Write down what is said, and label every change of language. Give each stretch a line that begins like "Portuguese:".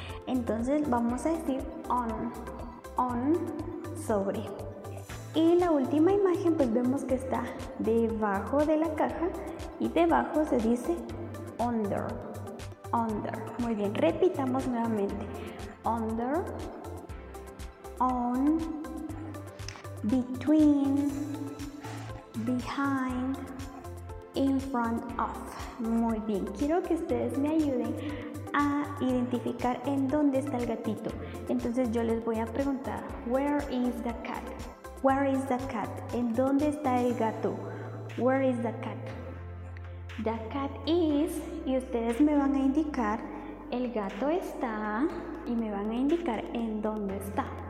Spanish: Entonces vamos a decir on, on, sobre. Y la última imagen pues vemos que está debajo de la caja y debajo se dice under, under. Muy bien, repitamos nuevamente.
English: Under, on, between, behind, in front of.
Spanish: Muy bien, quiero que ustedes me ayuden a identificar en dónde está el gatito. Entonces yo les voy a preguntar,
English: where is the cat? Where is the cat?
Spanish: ¿En dónde está el gato?
English: Where is the cat? The cat is,
Spanish: y ustedes me van a indicar, el gato está, y me van a indicar en dónde está.